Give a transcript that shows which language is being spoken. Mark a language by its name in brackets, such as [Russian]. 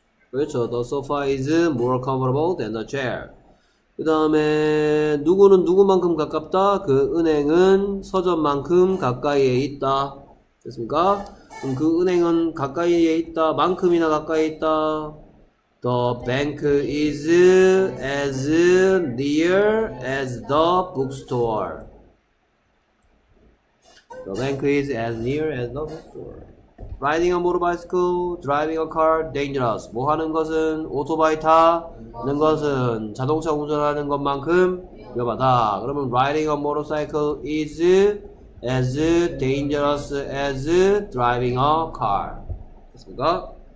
[English] The sofa is more comfortable than the chair. [Korean] 그 다음에 누구는 누구만큼 가깝다? 그 은행은 서점만큼 가까이에 있다. 됐습니까? 그럼 그 은행은 가까이에 있다. 만큼이나 가까이에 있다. [English] The bank is as near as the bookstore. The bank is as near as the bookstore. Riding a motorbike, driving a car, dangerous. [Korean] 뭐 하는 것은 오토바이 타는 것은 자동차 운전하는 것만큼 위험하다. 그러면 [English] riding a motorcycle is as dangerous as driving a car. [Korean] 됐습니다.